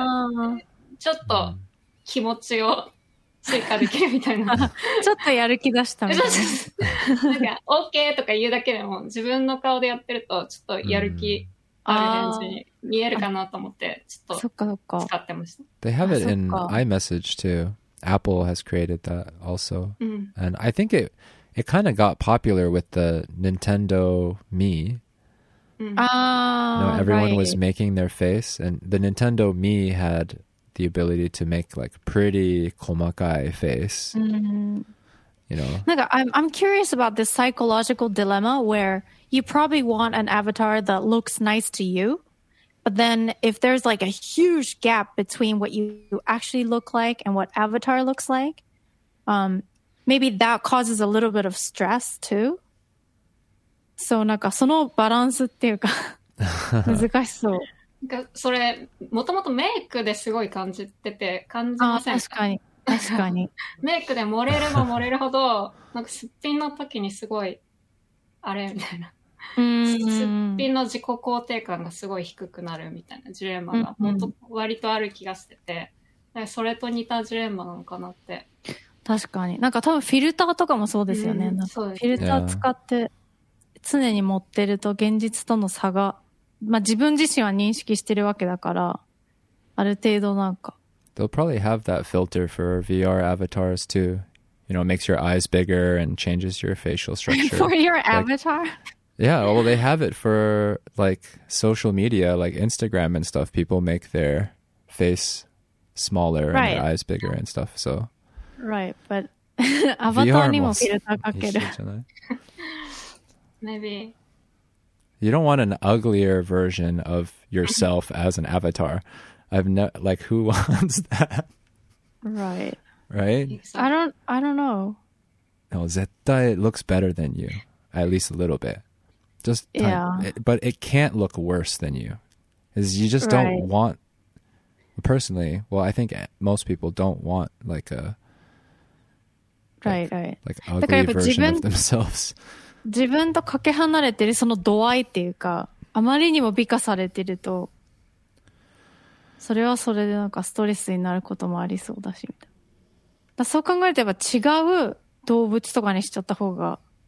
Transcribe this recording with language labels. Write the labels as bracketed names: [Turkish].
[Japanese] なんかちょっと気持ちを追加できるみたいな。ちょっとやる気出したみたいな。なんか OK とか言うだけでも自分の顔でやってるとちょっとやる気ある返事に見えるかなと思って、ちょっと使ってました。 [English] They have it in iMessage too. Apple has created that also. And I think it kind of got popular with the Nintendo Mi. You know, everyone right. was making their face. And the Nintendo Mi had the ability to make like pretty komakai face. You know? I'm curious about this psychological dilemma where you probably want an avatar that looks nice to you. But then if there's like a huge gap between what you actually look like and what avatar looks like, maybe that causes a little bit of stress too. [Japanese] So, なんかそのバランスっていうか難しそう。なんかそれ、もともとメイクですごい感じてて、感じません。確かに。確かに。メイクで盛れれば盛れるほど、なんかすっぴんの時にすごい、あれみたいな。すっぴんの自己肯定感がすごい低くなるみたいなジレンマが本当割とある気がしてて、それと似たジレンマなのかなって。確かに、なんか多分フィルターとかもそうですよね。なんかフィルター使って常に持ってると現実との差が、まあ、自分自身は認識してるわけだから、ある程度なんか [English] They'll probably have that filter for VR avatars too. You know, it makes your eyes bigger and changes your facial structure. For your avatar? Yeah, well, they have it for like social media, like Instagram and stuff. People make their face smaller and their eyes bigger and stuff. So, right, but [Japanese] avatar にもフィルターかける。 [English] Maybe. You don't want an uglier version of yourself as an avatar. I've never, like, who wants that? Right. Right? I don't know. No, 絶対 it looks better than you, at least a little bit. Just time, yeah, but it can't look worse than you. Is you just don't want personally. Well, I think most people don't want like a like ugly version of themselves. [Japanese] 自分とかけ離れてるその度合いっていうか、あまりにも美化されてると、それはそれでなんかストレスになることもありそうだし、みたいな。そう考えれば違う動物とかにしちゃった方が。